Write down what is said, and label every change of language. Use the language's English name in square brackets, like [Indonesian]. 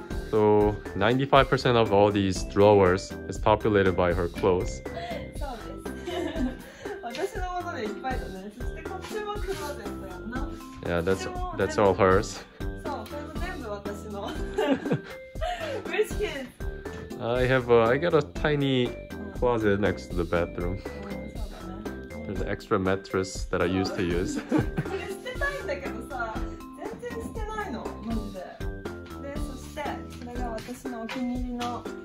[English] So 95% of all these drawers is populated by her clothes. [Japanese] そうです。私のものでいっぱいだね。そしてこっちもクローゼットやな。 [English] Yeah, that's all hers. [Japanese] そう、これも全部私の。 [English] Which kid? I got a tiny closet next to the bathroom. [Japanese] そうだね。 [English] There's an extra mattress that I used to use. [Japanese] これ捨てたいんだけどさ、全然捨てないの、マジで。で、そして、これが私のお気に入りの